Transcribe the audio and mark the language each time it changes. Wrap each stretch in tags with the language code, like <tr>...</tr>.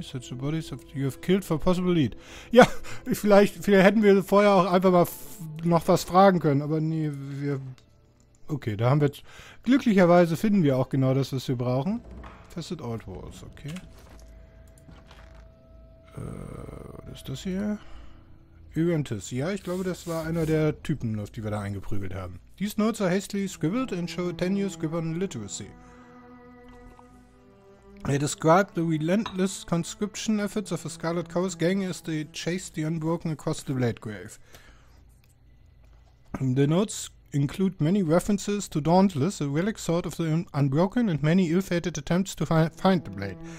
<en>Such the bodies of you have killed for possible lead.</en> <de>Ja, vielleicht hätten wir vorher auch einfach mal noch was fragen können. Aber nee, wir. Okay, da haben wir jetzt. Glücklicherweise finden wir auch genau das, was wir brauchen. Fested Old Walls, okay. Was ist das hier? Ugantis. Ja, ich glaube, das war einer der Typen, auf die wir da eingeprügelt haben.</de> <en>These notes are hastily scribbled and show a tenuous grip on literacy. They describe the relentless conscription efforts of a Scarlet Cowboy's gang as they chase the unbroken across the Blade Grave. The notes include many references to Dauntless, a relic sword of the unbroken, and many ill-fated attempts to find the blade.</en>